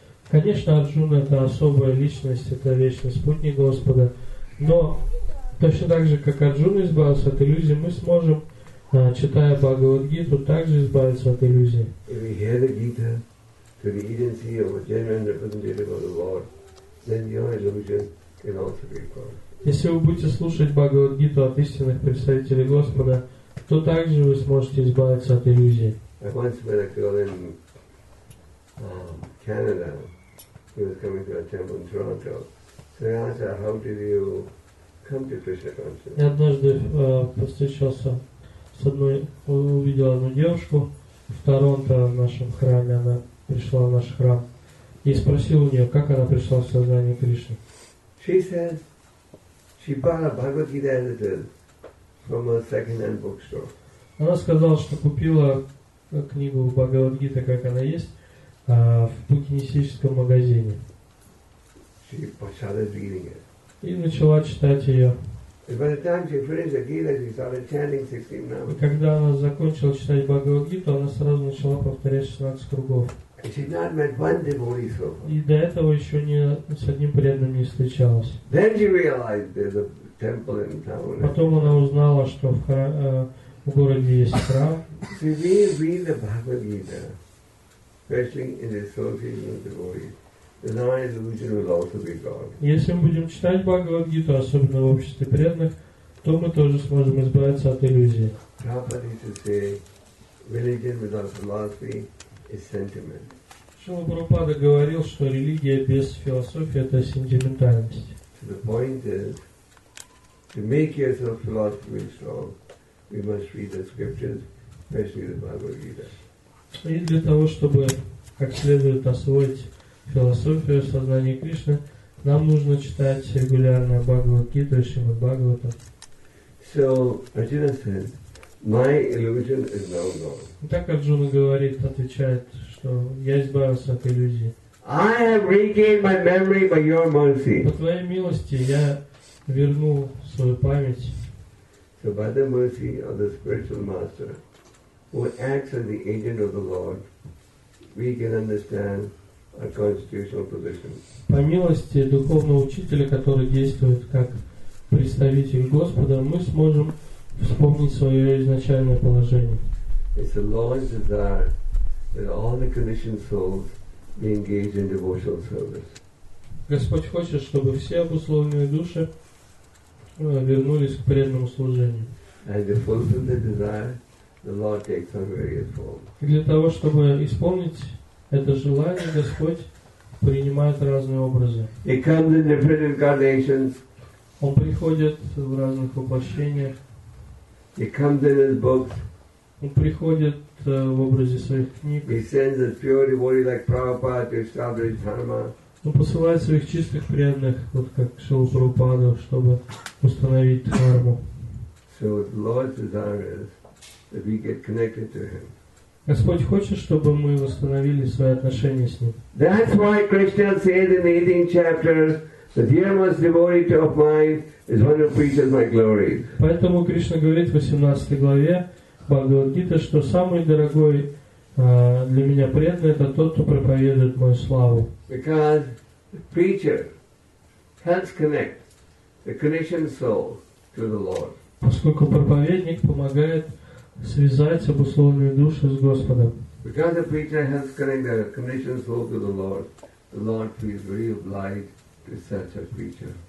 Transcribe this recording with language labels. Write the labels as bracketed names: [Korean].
[Russian] Конечно, Арджуна это особая личность, это вечный спутник Господа. Но точно так же, как Арджуна избавился от иллюзии, мы сможем, читая Бхагавад-гиту, также избавиться от иллюзии. [English] If we hear the Gita to the agency of a genuine representative of the Lord, then your illusion can also be gone. [Russian] Если вы будете слушать Бхагавад-гиту от истинных представителей Господа, то также вы сможете избавиться от иллюзии. [English] I once met a girl in Canada who was coming to a temple in Toronto. So I asked her, how did you come to Krishna consciousness? [Russian] Я однажды постучался с одной, увидела одну девушку в Торонто, в нашем храме, она пришла в наш храм. И спросил у нее, как она пришла в сознание Кришны. [English] She said, she bought a Bhagavad Gita edition from a second-hand bookstore. [Russian] Она сказала, что купила книгу Бхагавад Гита, как она есть, в букинистическом магазине. [English] She started reading it. [Russian] И начала читать ее. [English] And by the time she finished the Gita, she started chanting 16 mantras. [Russian] И когда она закончила читать Бхагавад Гиту, она сразу начала повторять 16 кругов. [English] She had not met one devotee so far. [Russian] И до этого еще не с одним преданным не встречалась. [English] Then she realized there's a temple in town. [Russian] Потом она узнала, что в городе есть храм. [English] So we read the Bhagavad Gita, especially in association with devotees, the non-illusion will also be gone. [Russian] Если мы будем читать Бхагавад Гиту, особенно в обществе преданных, то мы тоже сможем избавиться от иллюзии. [English] Prabhupada used to say, religion without philosophy. Шрила [Russian] Прабхупада говорил, что религия без философии – это сентиментальность. [English] The point is, to make yourself philosophically strong, we must read the scriptures, especially the Bhagavad Gita. [Russian] И для того, чтобы как следует освоить философию сознания Кришны, нам нужно читать регулярно Бхагавад Гиту, Шримад Бхагавата. [English] So, Arjuna said, my illusion is now gone. [Russian] Так Арджуна говорит, отвечает, что я избавился от иллюзии. [English] I have regained my memory by your mercy. [Russian] По твоей милости я вернул свою память. [English] So by the mercy of the spiritual master, who acts as the agent of the Lord, we can understand our constitutional position. [Russian] По милости духовного учителя, который действует как представитель Господа, мы сможем вспомнить свое изначальное положение. [English] It's the Lord's desire that all the conditioned souls be engaged in devotional service. [Russian] Господь хочет, чтобы все обусловленные души вернулись к преданному служению. [English] And to fulfill the desire, the Lord takes on various forms. [Russian] Для того, чтобы исполнить это желание, Господь принимает разные образы. [English] He comes in different incarnations. [Russian] Он приходит в разных воплощениях. [English] He comes in his books. [Russian] Он приходит в образе своих книг. [English] He sends a pure devotee like Prabhupada to establish dharma. [Russian] Он посылает своих чистых преданных, вот как Шрила Прабхупада, чтобы установить дхарму. [English] So the Lord's desire is that we get connected to him. [Russian] Господь хочет, чтобы мы восстановили свои отношения с ним. [English] That's why Krishna said in the 18th chapter, the dearest devotee of mine is one who preaches my glory. [Russian] Поэтому Кришна говорит в 18 главе Бхагавад-гита, что самый дорогой для меня преданный – это тот, кто проповедует мою славу. [English] Because the preacher helps connect the conditioned soul to the Lord. [Russian] Поскольку проповедник помогает связать обусловленные души с Господом. [English] Because the preacher helps connect the conditioned soul to the Lord feels very obliged to such a preacher.